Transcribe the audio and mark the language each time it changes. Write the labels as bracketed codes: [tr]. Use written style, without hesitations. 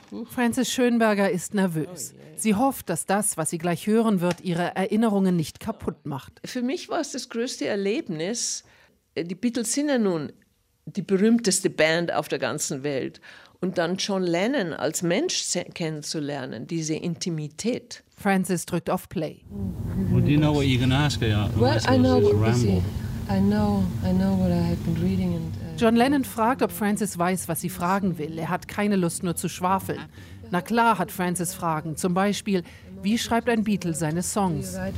[de] Francis Schönberger ist nervös. Sie hofft, dass das, was sie gleich hören wird, ihre Erinnerungen nicht kaputt macht. Für mich war es das größte Erlebnis. Die Beatles sind ja nun die berühmteste Band auf der ganzen Welt. Und dann John Lennon als Mensch kennenzulernen, diese Intimität. Francis drückt auf Play. [en] Well, do you know what you're gonna ask? Well, I know what you see. I know what I have been reading and. [de] John Lennon fragt, ob Francis weiß, was sie fragen will. Er hat keine Lust, nur zu schwafeln. Na klar hat Francis Fragen, zum Beispiel, wie schreibt ein Beatle seine Songs?